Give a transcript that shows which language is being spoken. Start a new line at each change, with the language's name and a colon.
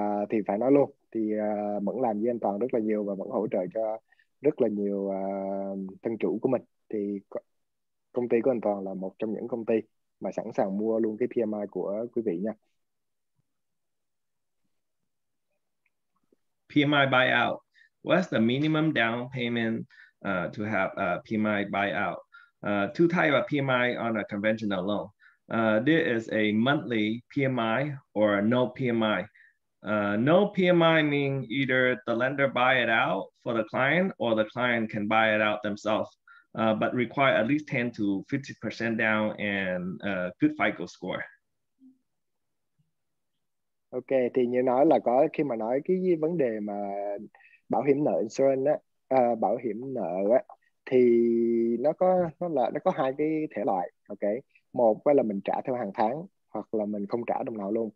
Vietnamese: Thì phải nói luôn thì vẫn làm với anh Toàn rất là nhiều và vẫn hỗ trợ cho rất là nhiều thân chủ của mình. Thì công ty của anh Toàn là một trong những công ty mà sẵn sàng mua luôn cái PMI của quý vị nha.
English: PMI buyout. What's the minimum down payment to have a PMI buyout? To tie a PMI on a conventional loan, this is a monthly PMI or no PMI. No PMI means either the lender buy it out for the client or the client can buy it out themselves, but require at least 10 to 50% down and a good FICO score.
Vietnamese: Ok, thì như nói là có khi mà nói cái vấn đề mà bảo hiểm nợ insurance á, bảo hiểm nợ á, thì nó có hai cái thể loại. Ok, một là mình trả theo hàng tháng hoặc là mình không trả đồng nào luôn.